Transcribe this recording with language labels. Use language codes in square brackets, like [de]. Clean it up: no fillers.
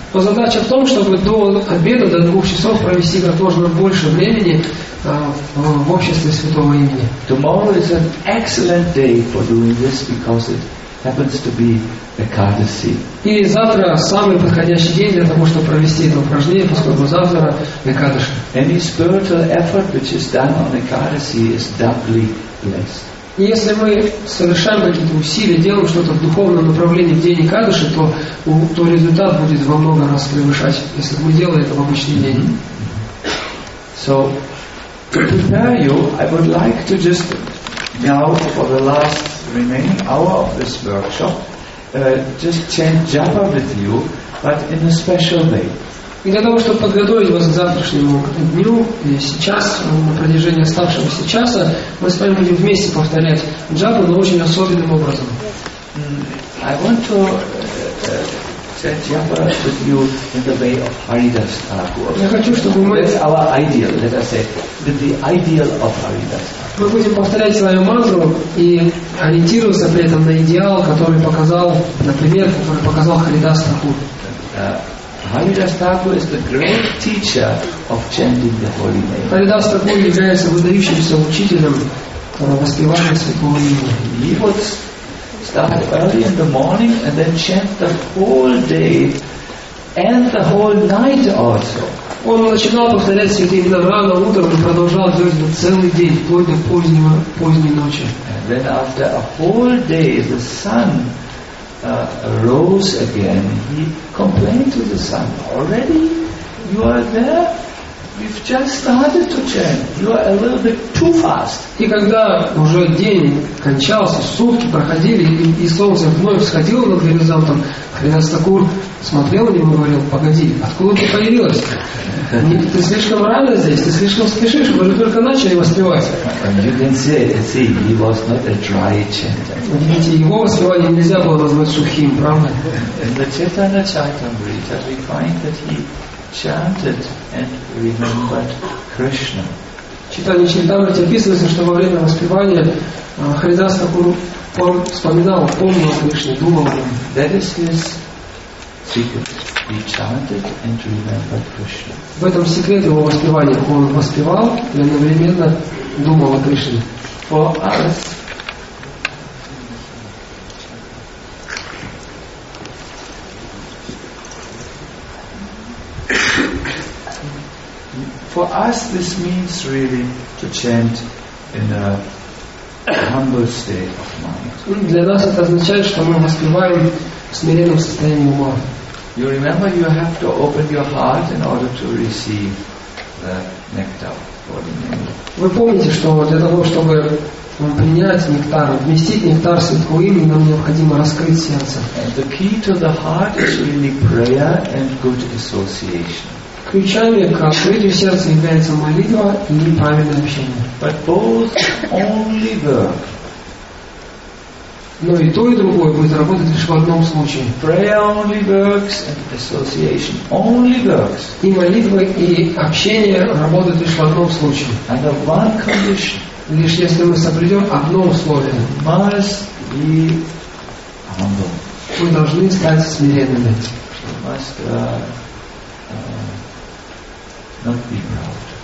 [ru] Но задача в том, чтобы до обеда, до 2 часов провести как можно больше времени в обществе святого имени. [en] Tomorrow is an excellent day for doing this because it happens to be Экадаси. [ru] И завтра самый подходящий день для того, чтобы провести это упражнение, поскольку завтра Экадаши. [en] Any spiritual effort which is done on Экадаси is doubly blessed. [ru] Если мы совершаем какие-то усилия, делаем что-то в духовном направлении в день Экадаши, то результат будет во много раз превышать, если мы делаем это в обычный день. [en] So, to prepare you, I would like to just now, for the last remaining hour of this workshop, just chant japa with you, but in a special way. [ru] И для того, чтобы подготовить вас к завтрашнему дню, и сейчас, на протяжении оставшегося часа, мы с вами будем вместе повторять джапу, но очень особенным образом. [en] I want to chant japa with you in the way of Haridas Thakur. [ru] Я хочу, чтобы мы... [en] That's our ideal, let us say, with the ideal of Haridas. [ru] Мы будем повторять свою мантру и ориентироваться при этом на идеал, который показал, например, который показал Харидас Тхакур. [en] Haridas Thakur is the great teacher of chanting the holy name. [ru] Haridas Thakur является выдающимся учителем воспевания святого имени. [en] He would start early in the morning and then chant the whole day and the whole night also. [ru] Он начинал повторять святые имена рано утром и продолжал делать это целый день, вплоть до поздней ночи. [en] And then after a whole day the sun rose again. He complained to the sun, already you are there, you've just started to chant, you are a little bit too fast. [ru] И когда уже день кончался, сутки проходили, и солнце вновь сходило над горизонтом, Харидас Тхакур смотрел на него и говорил: погоди, откуда ты появилась? Ты слишком рано здесь, ты слишком спешишь, мы же только начали воспевать. [en] You can see, he was not a dry chanter. [ru] Видите, его воспевание нельзя было назвать сухим, правда? [en] In the Chaitanya Charitamrita we find that he chanted and remembered Krishna. [ru] Читание Чайтамрити описывается, что во время воспевания Харидас Тхакур вспоминал, помнил о Кришне, думал о нем. [en] That is his secret. He chanted and remembered Krishna. [ru] В этом секрет его воспевания. Он воспевал и одновременно думал о Кришне. [en] For us, this means really to chant in a humble state of mind. [ru] Для нас это означает, что мы воспеваем в смиренном состоянии ума. [en] You remember you have to open your heart in order to receive the nectar. [ru] Вы помните, что для того, чтобы принять нектар, вместить нектар Святого Имени, нам необходимо раскрыть сердце. [en] The key to the heart is really prayer and good association. [ru] Ключами к открытию сердца является молитва и правильное общение. [en] But both only work. [ru] Но и то, и другое будет работать лишь в одном случае. [en] Prayer only works and association only works. [ru] И молитва, и общение работают лишь в одном случае. [en] And of one condition. [ru] Лишь если мы соблюдем одно условие. [en] Must be humble. [ru] Мы должны стать смиренными. [en] Must not be proud.